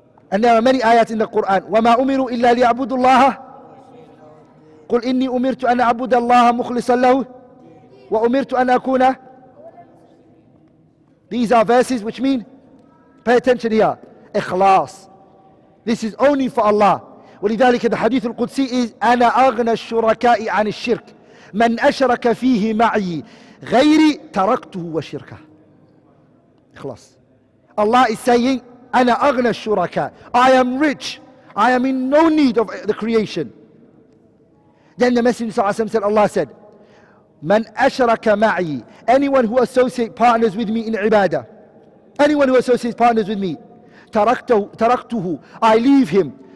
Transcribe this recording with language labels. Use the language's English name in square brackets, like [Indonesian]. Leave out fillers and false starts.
[English] And there are many ayats in the Quran. [Arabic] وَمَا أُمِرُوا إِلَّا لِيَعْبُدُوا اللَّهَ قُلْ إِنِّي أُمِرْتُ أَنْ أَعْبُدَ اللَّهَ مُخْلِصًا لَهُ وَأُمِرْتُ أَنْ أَكُونَ. [English] These are verses which mean, pay attention here, ikhlas. This is only for Allah. [Arabic] وَلِذَلِكَ [English] the hadith al-Qudsi is [Arabic] أَنَا أَغْنَى الشُّرَكَاءِ عَنِ الشِّرْكِ مَنْ أَشْرَكَ فِيهِ مَعِي غَيْرِ تَرَكْتُهُ وَشِرْكَهُ. [English] Ikhlas. Allah is saying, [Arabic] أَنَا أَغْنَى الشُّرَكَى. [English] I am rich. I am in no need of the creation. Then the Messenger said, Allah said, [Arabic] مَنْ أَشْرَكَ مَعِي. [English] Anyone who associates partners with me in ibadah, anyone who associates partners with me, [Arabic] تَرَكْتُهُ, [English] I leave him.